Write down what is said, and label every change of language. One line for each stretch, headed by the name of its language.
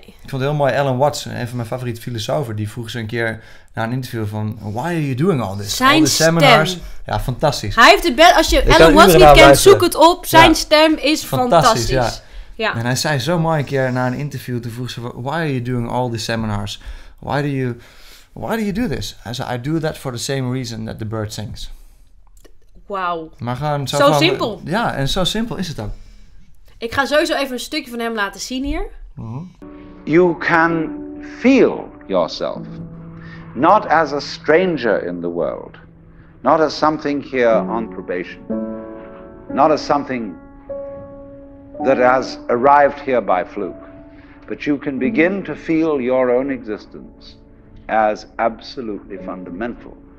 Dutch: Ik vond het heel mooi, Alan Watts, een van mijn favoriete filosofen, die vroeg ze een keer na een interview van,
English: why are you doing all this?
Dutch: Zijn
English: all
Dutch: stem. Seminars. Ja, fantastisch. Hij heeft de bed, als je ik Alan Watts niet kent, zoek het op. Zijn stem is fantastisch. Ja. En hij zei zo mooi een keer na een interview, toen vroeg ze van,
English: why are you doing all these seminars? Why do you do this?
Dutch: Hij zei,
English: I do that for the same reason that the bird sings.
Dutch: Wauw. Maar gewoon zo van, simpel. Ja, en zo simpel is het ook. Ik ga sowieso even een stukje van hem laten zien hier.
English: You can feel yourself. Not as a stranger in the world. Not as something here on probation. Not as something that has arrived here by fluke. But you can begin to feel your own existence as absolutely fundamental.